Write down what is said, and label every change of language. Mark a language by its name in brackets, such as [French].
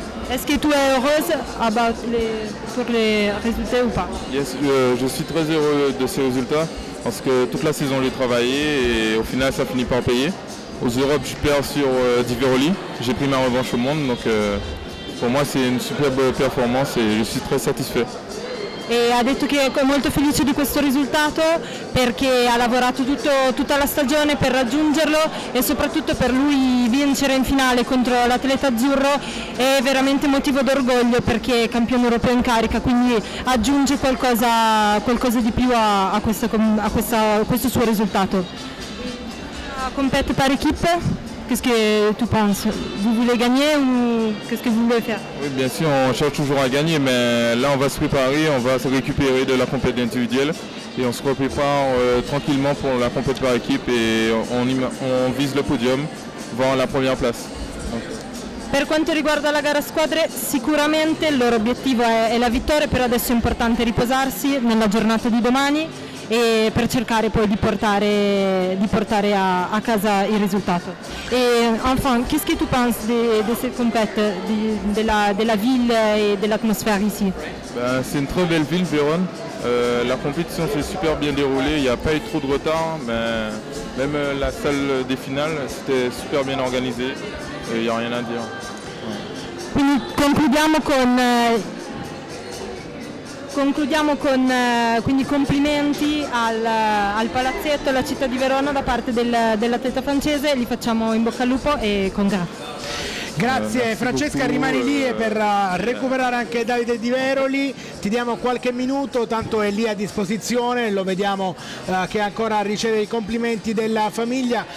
[French] Est-ce que tu es heureuse pour les résultats ou pas? Yes, je suis très heureux de ces résultats parce que toute la saison j'ai travaillé et au final ça finit par payer. Aux Europes je perds sur Diveroli, j'ai pris ma revanche au monde, donc pour moi c'est une superbe performance et je suis très satisfait. [Italian] Et ha detto che è molto felice di questo risultato perché ha lavorato tutta la stagione per raggiungerlo e soprattutto per lui vincere in finale contro l'atleta azzurro è veramente motivo d'orgoglio perché è campione europeo in carica, quindi aggiunge qualcosa di più a questo suo risultato. [French] Compete par équipe, qu'est-ce que tu penses? Vous voulez gagner ou qu'est-ce que vous voulez faire? Oui, bien sûr, on cherche toujours à gagner, mais là on va se préparer, on va se récupérer de la compétition individuelle et on se prépare tranquillement pour la compétition par équipe et on vise le podium, voir la première place. [Italian] Per quanto riguarda la gara a squadre, sicuramente il loro obiettivo è la vittoria, però adesso è importante riposarsi nella giornata di domani e per cercare poi di portare a casa il risultato. [French] Et enfin, qu'est-ce que tu penses de cette compète, de la ville et de l'atmosphère ici? Ben, c'est une très belle ville, Vérone. La compétition s'est super bien déroulée, il n'y a pas eu trop de retard, mais même la salle des finales, c'était super bien organisé, il n'y a rien à dire. Ouais. Donc, [Italian] concludiamo con... Concludiamo con quindi complimenti al palazzetto, alla città di Verona da parte dell'atleta francese, gli facciamo in bocca al lupo e con grazie. Grazie Francesca, rimani lì per recuperare anche Davide Di Veroli, ti diamo qualche minuto, tanto è lì a disposizione, lo vediamo che ancora riceve i complimenti della famiglia.